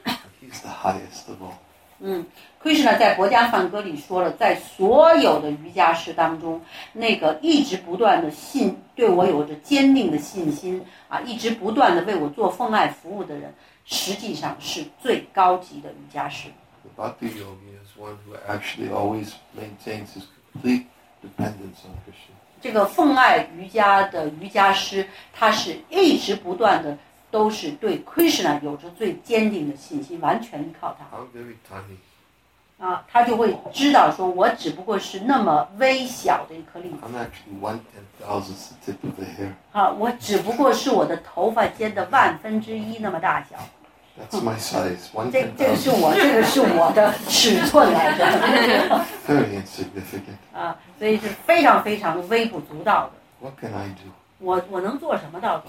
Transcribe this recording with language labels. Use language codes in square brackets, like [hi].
[en] And he's the highest of all. [zh] Krishna 在《薄伽梵歌》里说了，在所有的瑜伽师当中，那个一直不断的信对我有着坚定的信心啊，一直不断的为我做奉爱服务的人，实际上是最高级的瑜伽师。 [en] The bhakti yogi is one who actually always maintains his complete dependence on Krishna. [zh] 这个奉爱瑜伽的瑜伽师，他是一直不断的。都是对 Krishna 有着最坚定的信心，完全依靠他。他就会知道说，我只不过是那么微小的一颗粒子。 [en] I'm actually one ten thousandth the tip of the hair. [zh] 我只不过是我的头发尖的万分之一那么大小。 [en] That's my size. [zh] 这个是我的尺寸来着。 [en] Very insignificant. [zh] 所以是非常非常微不足道的。 [en] What can I do? [zh] 我能做什么到底？